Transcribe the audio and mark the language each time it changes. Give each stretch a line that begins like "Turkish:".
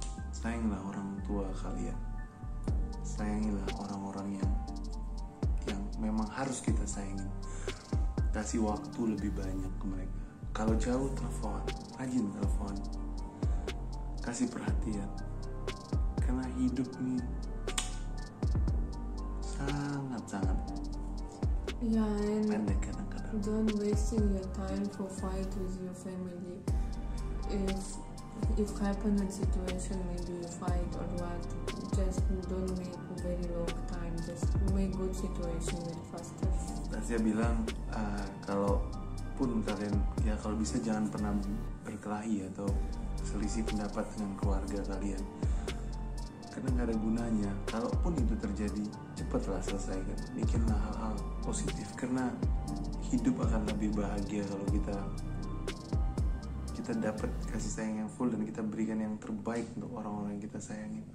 Indonesian: Sayangilah orang tua kalian. Sayangilah orang-orang yang memang harus kita sayangin. Kasih waktu lebih banyak ke mereka. Kalau jauh, telepon. Rajin telepon. Kasih perhatian. Karena hidup ini sangat-sangat pendek kadang-kadang.
English: Don't wasting your time for fight with your family. If happen a situation, maybe you fight or what, just don't make very long time. Just make good situation very faster.
Indonesian: Tasya bilang, kalau pun kalian, ya kalau bisa jangan pernah berkelahi atau selisih pendapat dengan keluarga kalian. Karena gak ada gunanya, kalaupun itu terjadi, cepatlah selesaikan. Bikinlah hal-hal positif, karena hidup akan lebih bahagia kalau kita dapat kasih sayang yang full dan kita berikan yang terbaik untuk orang-orang yang kita sayangin.